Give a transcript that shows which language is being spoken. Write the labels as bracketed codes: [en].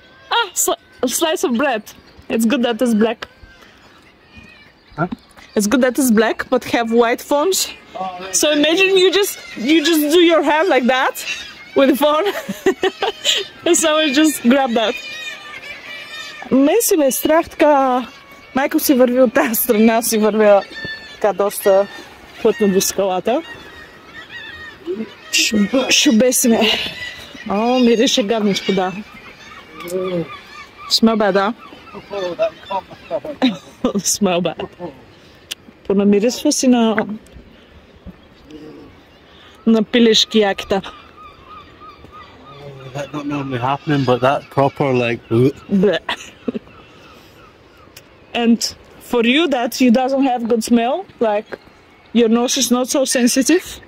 [en] Ah, slice of bread. It's good that it's black. Huh? It's good that it's black, but have white phones. Oh, so imagine you just do your hand like that with the phone. And someone just grab that. [bg] Мен си ме страх така, Майкъл си върви от тази страна, си върви така доста плътно до скалата. Шубе си ме. О, мирише гадничко, да. [en] Smell bad, [bg] да? [en] Smell bad. [bg] Понамирисва си на пилешки якита. [en] That not normally happening, but that proper like bleh. And for you that you doesn't have good smell, like your nose is not so sensitive.